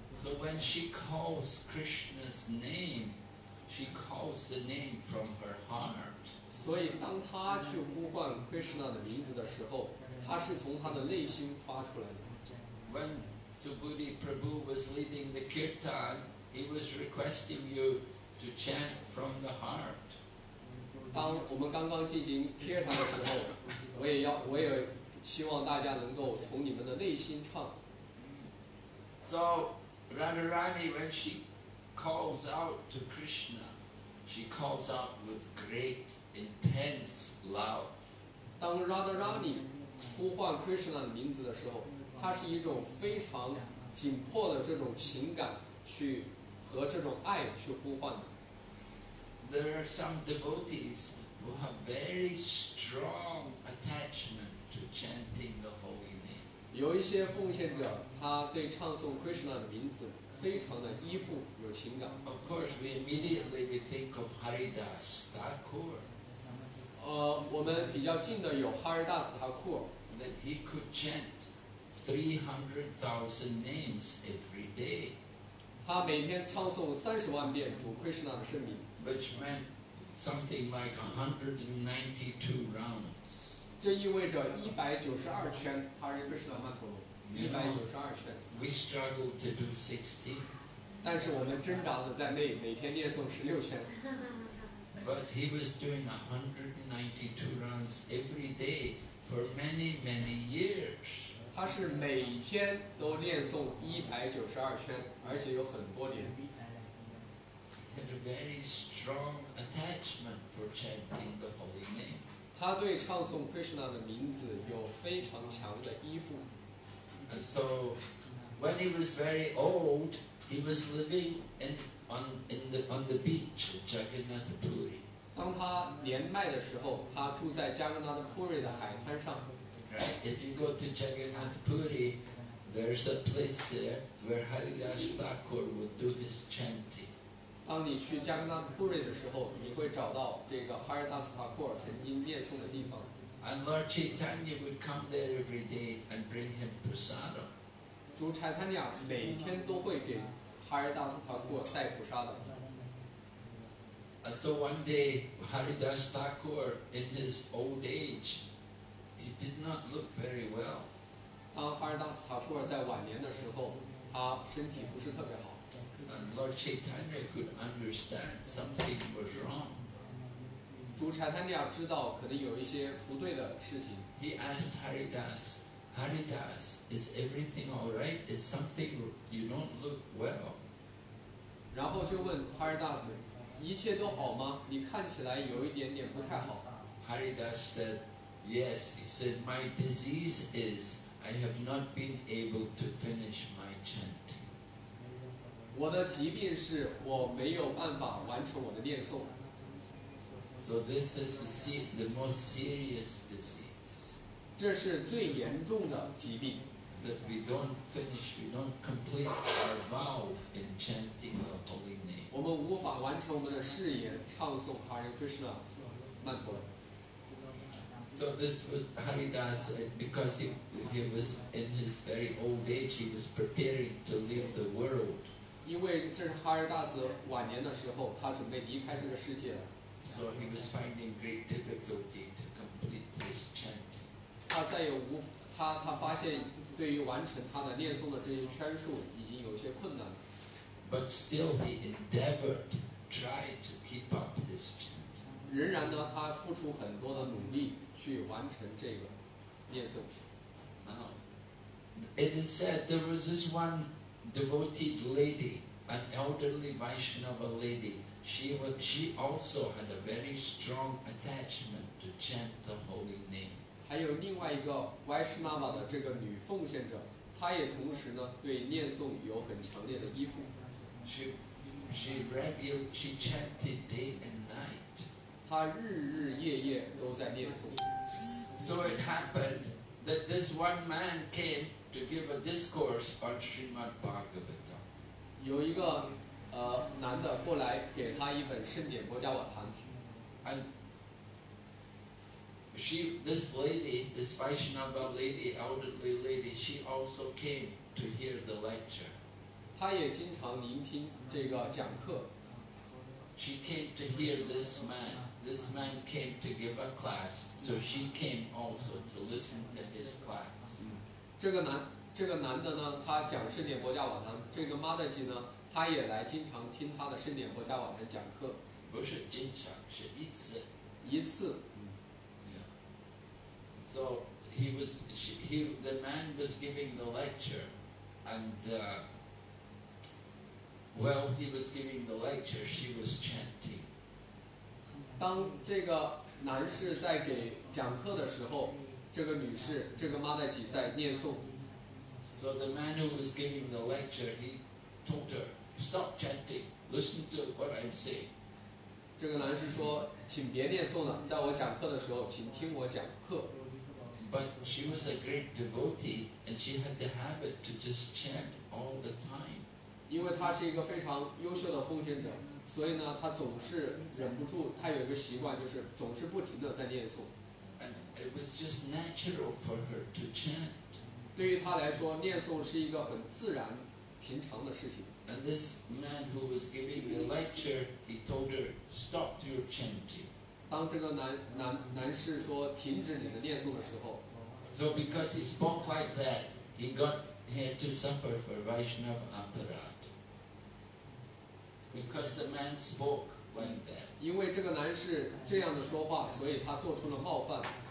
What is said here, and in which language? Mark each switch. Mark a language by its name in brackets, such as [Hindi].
[English] So when she calls Krishna's name, she calls the name from her heart. [Chinese] 所以当他去呼唤 Krishna 的名字的时候，他是从他的内心发出来的。 [English] When Subhuti Prabhu was leading the kirtan, he was requesting you to chant from the heart. [Chinese] 当我们刚刚进行 kirtan 的时候，我也希望大家能够从你们的内心唱。 [English] So Radharani, when she calls out to Krishna, she calls out with great. Intense love. [Chinese] 当 Radharani 呼唤 Krishna 的名字的时候，它是一种非常紧迫的这种情感去和这种爱去呼唤的。 [English] There are some devotees who have very strong attachment to chanting the holy name. [Chinese] 有一些奉献者，他对唱诵 Krishna 的名字非常的依附，有情感。 [English] Of course, we immediately think of Haridas Thakur. [Chinese] 我们比较近的有哈尔达斯塔库尔。 [English] That he could chant 300,000 names every day. [Chinese] 他每天唱诵300,000遍主 Krishna 的圣名。 [English] Which meant something like 192 rounds. [Chinese] 这意味着192圈 Hare Krishna Mantra 192圈。 [English] We struggled to do 60. [Chinese] 但是我们挣扎的在内，每天念诵16圈。 [English] But he was doing 192 rounds every day for many, many years. [Chinese] 他是每天都念诵192圈，而且有很多年。 [English] Had a very strong attachment for chanting the holy name. [Chinese] 他对唱诵 Krishna 的名字有非常强的依附。 [English] And so, when he was very old, he was living on the beach of Jagannath Puri. [Chinese] 当他年迈的时候，他住在加格纳达普里的海滩上。 [English] Right, if you go to Jagannath Puri, there's a place there where Haridas Thakur would do his chanting. [Chinese] 当你去加格纳达普里的时候，你会找到这个哈尔达斯塔库尔曾经念诵的地方。 [English] And Lord Chaitanya would come there every day and bring him prasada. [Chinese] 主柴坦尼亚每天都会给哈尔达斯塔库尔带普沙的。 [English] And so one day, Haridas Thakur, in his old age, he did not look very well. [Chinese] 当 Haridas Thakur 在晚年的时候，他身体不是特别好。 [English] And Lord Chaitanya could understand something was wrong. [Chinese] 主裁判长知道可能有一些不对的事情。 [English] He asked Haridas, Haridas, is everything all right? Is something you don't look well? [Chinese] 然后就问 Haridas, 一切都好吗？你看起来有一点点不太好。 [English] Haridas said, yes. He said, my disease is I have not been able to finish my chant. [Chinese] 我的疾病是我没有办法完成我的念诵。 [English] So this is the most serious disease. [Chinese] 这是最严重的疾病。 [English] That we don't finish, we don't complete our vow in chanting the holy name. [Chinese] 我们无法完成我们的誓言，唱诵 Hare Krishna 曼陀罗。 [English] So this was Haridas, because he was in his very old age, he was preparing to leave the world. [Chinese] 因为这是哈尔达斯晚年的时候，他准备离开这个世界了。 [English] So he was finding great difficulty to complete this chant. [Chinese] 他发现对于完成他的念诵的这些圈数已经有些困难了。 [English] But still he endeavored, tried to keep up this chant. [Chinese] 仍然呢，他付出很多的努力去完成这个念诵。 [English] Now, it is said there was this one devoted lady, an elderly Vaishnava lady. She also had a very strong attachment to chant the holy name. [Chinese] 还有另外一个 Vaishnava 的这个女奉献者，她也同时呢对念诵有很强烈的依附。 [English] She chanted day and night. [Chinese] 她日日夜夜都在念诵。 [English] So it happened that this one man came to give a discourse on Srimad Bhagavatam. [Chinese] 有一个男的过来给他一本圣典波迦瓦坛。 [English] And she, this lady, this Vaishnava lady, elderly lady, she also came to hear the lecture. [Chinese] 她也经常聆听这个讲课。 [English] She came to hear this man. This man came to give a class, so she came also to listen to his class. [Chinese] 这个男的呢，他讲圣典波迦瓦坛。这个 Mataji 呢？他也来经常听他的圣典波迦瓦坛讲课，不是经常，是一次。一次。 Yeah. [English] So he was, the man was giving the lecture, and while he was giving the lecture, she was chanting. [Chinese] 当这个男士在给讲课的时候，这个女士，这个妈代吉在念诵。 [English] So the man who was giving the lecture, he told her. Stop chanting. Listen to what I'm saying. [Chinese] 这个男士说，请别念诵了，在我讲课的时候，请听我讲课。 [English] But she was a great devotee, and she had the habit to just chant all the time. [Chinese] 因为她是一个非常优秀的奉献者，所以呢，她总是忍不住，她有一个习惯，就是总是不停的在念诵。 [English] And it was just natural for her to chant. [Chinese] 对于她来说，念诵是一个很自然、平常的事情。 [English] And this man who was giving the lecture, he told her, "Stop your chanting." [Chinese] 当这个男士说停止你的念诵的时候 [English] ，So because he spoke like that, he had to suffer for Vaishnava aparad. Because the man spoke like that. [Chinese] 因为这个男士这样的说话，所以他做出了冒犯。